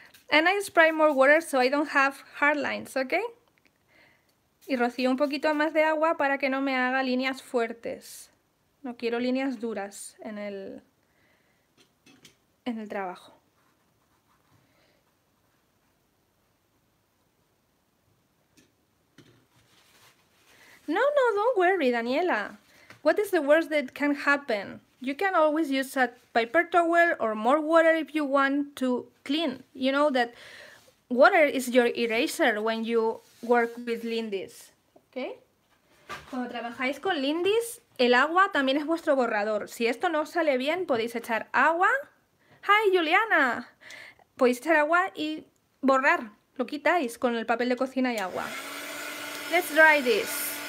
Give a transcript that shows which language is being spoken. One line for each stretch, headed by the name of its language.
English: And I spray more water so I don't have hard lines, okay?
Spanish: Y rocío un poquito más de agua para que no me haga líneas fuertes. No quiero líneas duras en el trabajo.
English: No, don't worry, Daniela. What is the worst that can happen? You can always use a paper towel or more water if you want to clean. You know that water is your eraser when you work with Lindy's, okay?
Spanish: Cuando trabajáis con Lindy's, el agua también es vuestro borrador. Si esto no sale bien, podéis echar agua.
English: Hi, Juliana.
Spanish: Podéis echar agua y borrar. Lo quitáis con el papel de cocina y agua.
English: Let's dry this.